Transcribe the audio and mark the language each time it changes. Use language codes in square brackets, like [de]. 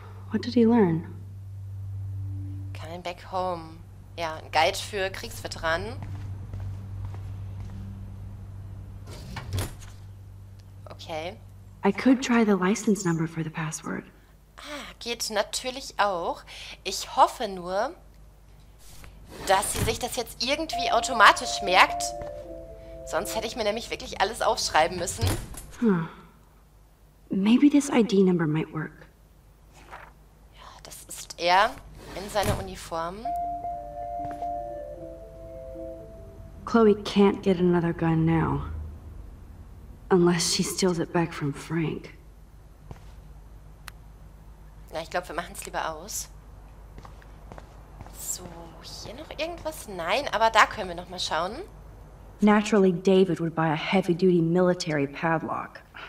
[en] What did he learn? Coming back home. [de] Ja, ein Guide für Kriegsveteranen. Okay. [en] I could try the license number for the password. [de] Ah, geht natürlich auch. Ich hoffe nur, dass sie sich das jetzt irgendwie automatisch merkt. Sonst hätte ich mir nämlich wirklich alles aufschreiben müssen. [en] Hm. Maybe this ID number might work. [de] Ja, das ist er in seiner Uniform. [en] Chloe can't get another gun now. Unless she steals it back from Frank. [de] Na, ich glaube, wir machen es lieber aus. So, hier noch irgendwas? Nein, aber da können wir noch mal schauen. [en] Naturally, David would buy a heavy-duty military padlock.